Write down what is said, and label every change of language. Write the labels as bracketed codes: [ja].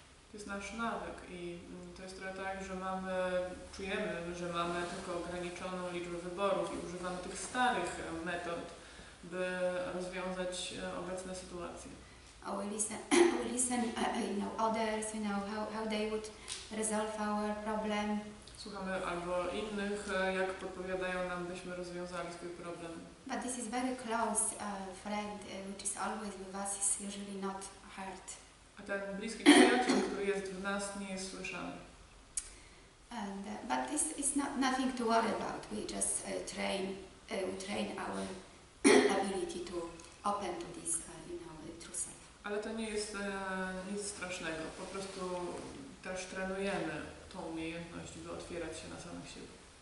[pl] To jest nasz nawyk i to jest trochę tak, że mamy, czujemy, że mamy tylko ograniczoną liczbę wyborów i używamy tych starych metod, by rozwiązać obecne sytuacje. [en] We listen, you know, others, you know, how they would resolve our problem. [pl] Słuchamy albo innych, jak podpowiadają nam, byśmy rozwiązali swój problem. [en] But this is very close friend, which is always with us, is usually not heard. [pl] A ten bliski przyjaciel, który jest w nas, nie jest słyszany. [en] But this is nothing to worry about. We just train our ability to open to this, you know, true self. [pl] Ale to nie jest nic strasznego. Po prostu też trenujemy tą umiejętność, by otwierać się na samych siebie.